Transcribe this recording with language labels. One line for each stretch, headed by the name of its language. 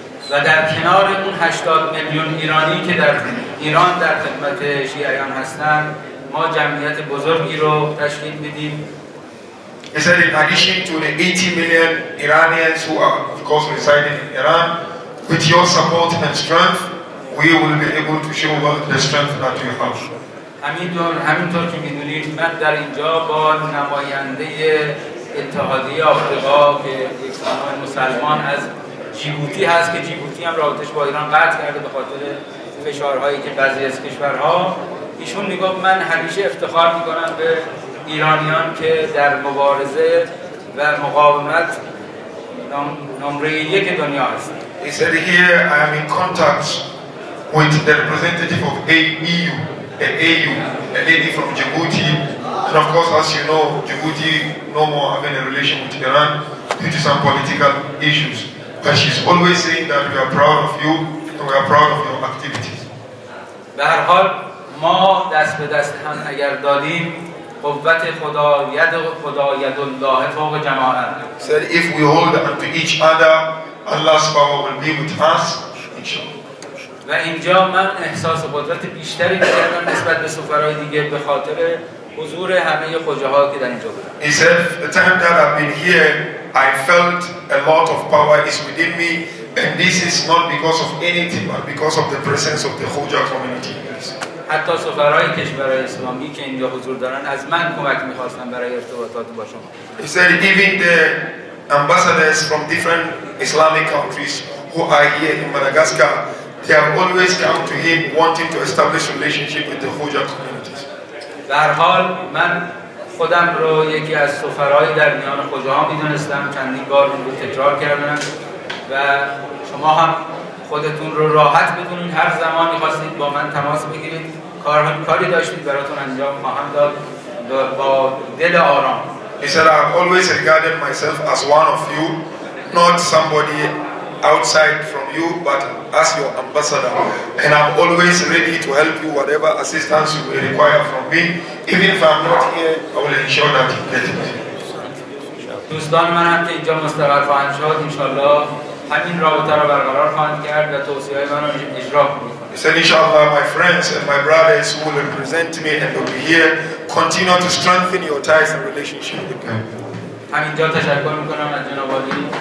Persian: و در کنار اون 80,000,000 ایرانی که در ایران در خدمت شیعیان هستند ما جمعیت بزرگی رو تشکیل میدیم.
English: He said, in addition to the 80 million Iranians who are, of course, residing in Iran, with your support and strength, we will be able to show them the strength that you have.
Persian: همینطور که می‌دونید من در اینجا با نماینده اتحادیه آفریقا که یک زمان مسلمان از جیبوتی هست که جیبوتی هم رابطش با ایران قطع کرده به خاطر فشارهایی که بعضی از کشورها ایشون میگفت من همیشه افتخار میکنم به ایرانیان که در مبارزه و مقاومت نمره یک دنیا هست.
English: He said here I am in contact with the representative of AU, a lady from Djibouti. And of course, as you know, Djibouti no more having a relation with Iran due to some political issues. But she's always saying that we are proud of you and we are proud of your activities.
Persian: به هر حال ما دست به دست هم اگر دادیم قوت خدا ید خدا
Arabic: ید الله فوق جماعت.
English: Said if we hold on to each other, Allah's power will be with us, inshallah.
Persian: و اینجا من احساس قدرت بیشتری می‌کردم نسبت به سفرهای دیگه به خاطر حضور همه خواجه‌ها که در اینجا بودن.
English: He said, the time that I've been here, I felt a lot of power is within me, and this is not because of anything, but because of the presence of the Khoja community.
Persian: حتی سفرهای کشورهای اسلامی که اینجا حضور دارن از من کمک می‌خواستن برای ارتباطات با شما.
English: He said, even the ambassadors from different Islamic countries who are here in Madagascar, they have always come to him wanting to establish relationship with the Khoja communities.
Persian: به هر حال من خودم رو یکی از سفرهای در میان خواجه‌ها می‌دونستم، چندین بار این رو تکرار کردم و شما هم خودتون رو راحت بدونید هر زمان می‌خواستید با من تماس بگیرید کاری داشتید براتون انجام خواهم داد با دل آرام.
English: He said, I've always regarded myself as one of you, not somebody outside from you, but as your ambassador. And I'm always ready to help you, whatever assistance you may require from me. Even if I'm not here, I will ensure that you get it.
Persian: دوستان من هم که اینجا مستقر خواهند شد، انشاءالله همین رابطه را برقرار خواهند کرد و توصیه های من را اجرا کنید.
English: He said, inshallah, my friends and my brothers who will represent me and will be here, continue to strengthen your ties and relationship with them.
Persian: همینجا تشکر میکنم از جنابالی.